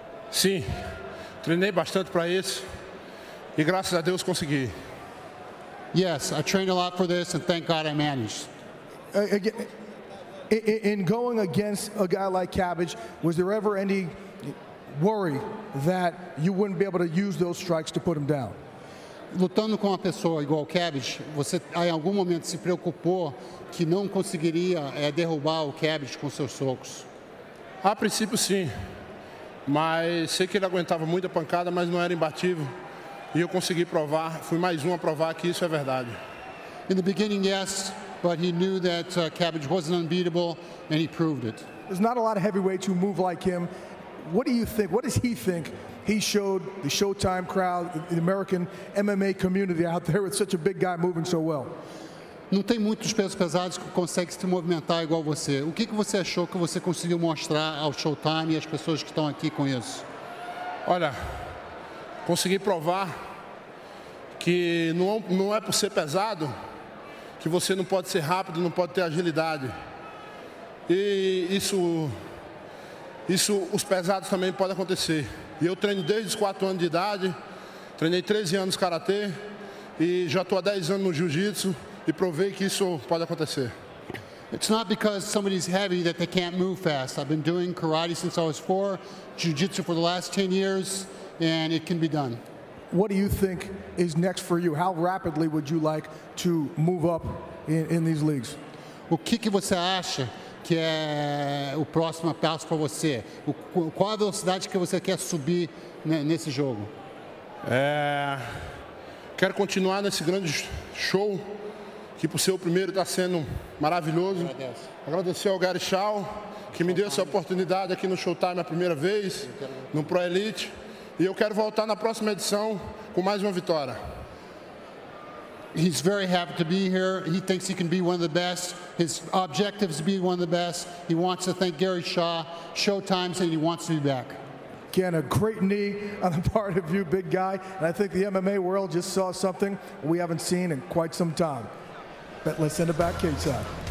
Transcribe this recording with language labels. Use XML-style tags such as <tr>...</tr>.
<pt>Sim, treinei bastante para isso e graças a Deus consegui.</pt> <en>Yes, I trained a lot for this and thank God I managed. In going against a guy like Cabbage, was there ever any worry that you wouldn't be able to use those strikes to put him down?</en> <pt>Lutando com uma pessoa igual Cabbage, você em algum momento se preocupou que não conseguiria derrubar o Cabbage com seus socos? A princípio sim, mas sei que ele aguentava muita pancada, mas não era imbatível. E eu consegui provar, fui mais um a provar que isso é verdade.</pt> <en>In the beginning, yes, but he knew that Cabbage wasn't unbeatable and he proved it. There's not a lot of heavyweights who move like him. What do you think? What does he think he showed the Showtime crowd, the American MMA community out there with such a big guy moving so well?</en> <pt>Não tem muitos pesos pesados que conseguem se movimentar igual você. O que você achou que você conseguiu mostrar ao Showtime e às pessoas que estão aqui com isso? Olha, consegui provar que não é por ser pesado que você não pode ser rápido, não pode ter agilidade. E isso. Isso, os pesados também podem acontecer. E eu treino desde os 4 anos de idade, treinei 13 anos karatê e já estou há 10 anos no jiu-jitsu e provei que isso pode acontecer.</pt> <en>It's not because somebody's heavy that they can't move fast. I've been doing karate since I was 4, jiu-jitsu for the last 10 years, and it can be done. What do you think is next for you? How rapidly would you like to move up in these leagues?</en> <pt>O que você acha que é o próximo passo para você? Qual a velocidade que você quer subir nesse jogo? Quero continuar nesse grande show, que por ser o primeiro está sendo maravilhoso. Agradecer ao Gary Shaw, que me deu essa oportunidade aqui no Showtime a primeira vez, no Pro Elite. E eu quero voltar na próxima edição com mais uma vitória.</pt> <en>He's very happy to be here. He thinks he can be one of the best. His objective is to be one of the best. He wants to thank Gary Shaw, Showtime, and he wants to be back. Again, a great knee on the part of you, big guy. And I think the MMA world just saw something we haven't seen in quite some time. But let's send it back, K-Side.</en>